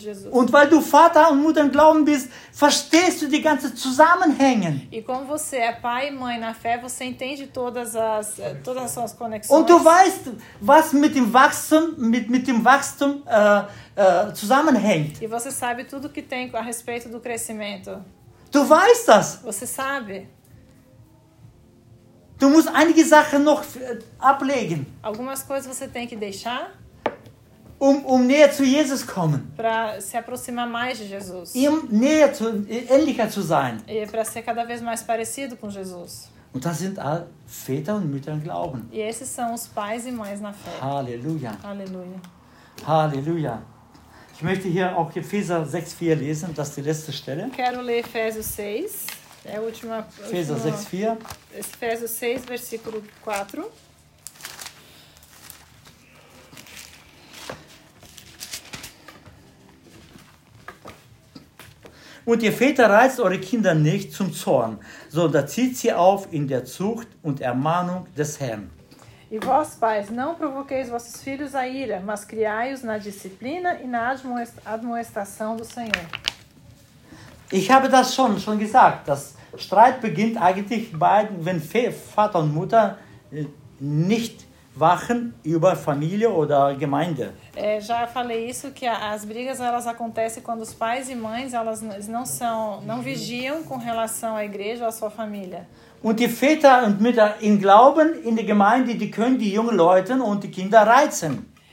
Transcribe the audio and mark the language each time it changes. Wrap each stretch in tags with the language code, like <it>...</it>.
<de>Und weil du Vater und Mutter im Glauben bist, verstehst du die ganzen Zusammenhänge.</de> <pt>E como você é pai e mãe na fé, você entende todas as suas conexões.</pt> <de>Und du weißt, was mit dem Wachstum zusammenhängt.</de> <pt>E você sabe tudo que tem a respeito do crescimento.</pt> <de>Du weißt das.</de> <pt>Você sabe.</pt> <de>Du musst einige Sachen noch ablegen.</de> <pt>Algumas coisas você tem que deixar.</pt> <de>Um näher zu Jesus kommen.</de> <pt>Para se aproximar mais de Jesus.</pt> <de>Ihm näher zu, ähnlicher zu sein.</de> <pt>E para ser cada vez mais parecido com Jesus.</pt> <de>Und das sind all Väter und Mütter im Glauben.</de> <pt>E esses são os pais e mães na fé.</pt> <de>Halleluja.</de> <pt>Halleluja.</pt> <de>Halleluja. Ich möchte hier auch Epheser 6,4 lesen, das ist die letzte Stelle.</de> <pt>Quero ler Efésios 6, é a última. Efésios 6,4. Efésios 6, versículo 4.</pt> <de>Und ihr Väter, reizt eure Kinder nicht zum Zorn, sondern zieht sie auf in der Zucht und Ermahnung des Herrn.</de> <pt>E vós, pais, não provoqueis vossos filhos à ira, mas criai-os na disciplina e na admoestação do Senhor.</pt> <de>Ich habe das schon gesagt, dass Streit beginnt eigentlich bei, wenn Vater und Mutter nicht wachen über Familie oder Gemeinde.</de> <pt>É, já falei isso, que as brigas elas acontecem quando os pais e mães elas não vigiam com relação à igreja ou à sua família.</pt> <de>Und die Väter und Mütter im Glauben in der Gemeinde, die können die jungen Leute und die Kinder reizen.</de>